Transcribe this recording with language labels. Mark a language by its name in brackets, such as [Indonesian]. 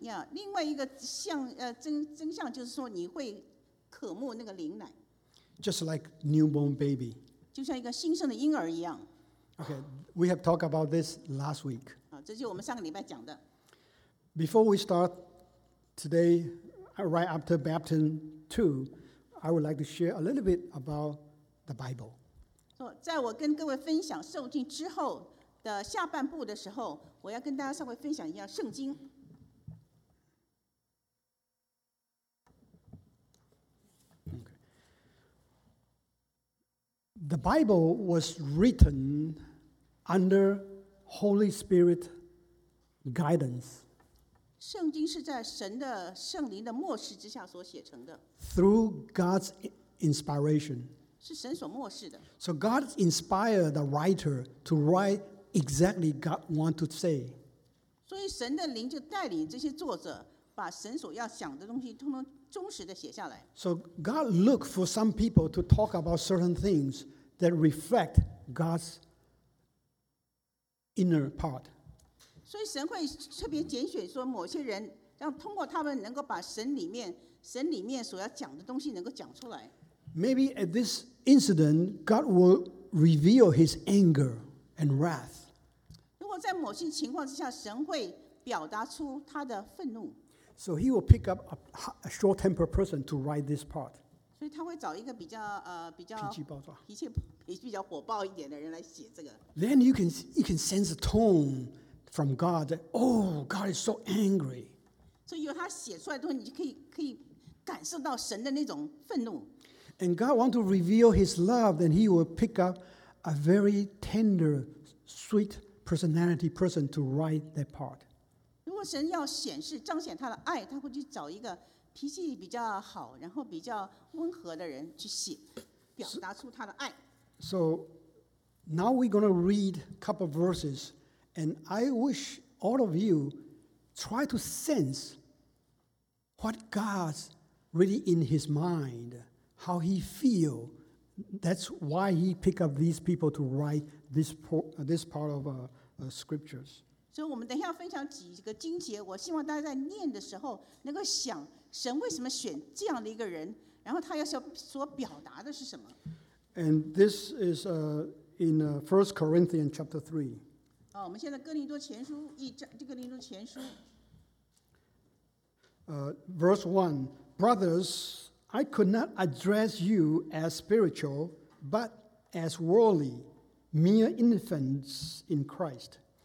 [Chinese] 另外一个像真相就是说你会渴慕那个灵奶。 [English] Just like newborn baby. [Chinese] 就像一个新生的婴儿一样。 [English] Okay, we have talked about this last week. [Chinese] 这就是我们上个礼拜讲的。 [English] Before we start today, right after baptism too, I would like to share a little bit about the Bible. [Chinese] 在我跟各位分享受浸之后的下半部的时候，我要跟大家稍微分享一下圣经。 [English] The Bible was written under Holy Spirit guidance. [Chinese] 圣经是在神的圣灵的默示之下所写成的。 [English] Through God's inspiration. [Chinese] 是神所默示的。 [English] So God inspired the writer to write exactly what God wanted to say. [Chinese] 所以神的灵就带领这些作者把神所要想的东西通通忠实的写下来。 [English] So God looked for some people to talk about certain things that reflect God's inner part. [Chinese] 所以神会特别拣选说某些人，让通过他们能够把神里面所要讲的东西能够讲出来。 [English] Maybe at this incident, God will reveal His anger and wrath. [Chinese] 如果在某些情况之下，神会表达出他的愤怒。 [English] So he will pick up a short-tempered person to write this part. [Chinese] 所以他会找一个比较脾气暴躁、比较火爆一点的人来写这个。 [English] Then you can sense the tone from God that oh God is so angry. [Chinese] 所以有他写出来的东西，你就可以感受到神的那种愤怒。 [English] And God wants to reveal His love, then He will pick up a very tender, sweet personality person to write that part. [Chinese] 如果神要显示彰显他的爱，他会去找一个脾气比较好，然后比较温和的人去写，表达出他的爱。 [English] So now we're going to read a couple of verses, and I wish all of you try to sense what God's really in His mind, how He feel. That's why He pick up these people to write this part of scriptures. [Chinese] 所以我们等一下分享几个经节，我希望大家在念的时候能够想神为什么选这样的一个人，然后他要所表达的是什么。 [English] And this is in 1 Corinthians chapter 3. [Chinese] 我们现在哥林多前书一章，这个哥林多前书。 [English] Verse 1, Brothers, I could not address you as spiritual, but as worldly, mere infants in Christ.